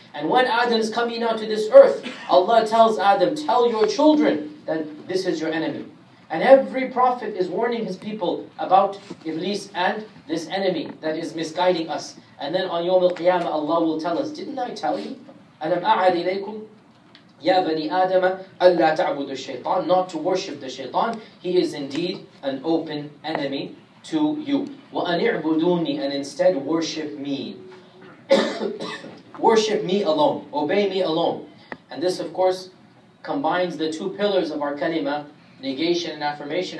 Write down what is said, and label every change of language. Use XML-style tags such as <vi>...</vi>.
<en>And when Adam is coming out to this earth, Allah tells Adam, tell your children that this is your enemy. And every prophet is warning his people about Iblis and this enemy that is misguiding us. And then on Yawm al-Qiyamah, Allah will tell us, didn't I tell you?</en> <ar>أَلَمْ أَعَدْ إِلَيْكُمْ يَا بَنِي آدَمَ أَلَّا تَعْبُدُ الشَّيْطَانِ</ar> <en>Not to worship the shaitan. He is indeed an open enemy to you.</en> <ar>وَأَنِعْبُدُونِي</ar> <en>And instead worship me. Worship me alone. Obey me alone. And this, of course, combines the two pillars of our kalima, negation and affirmation.</en>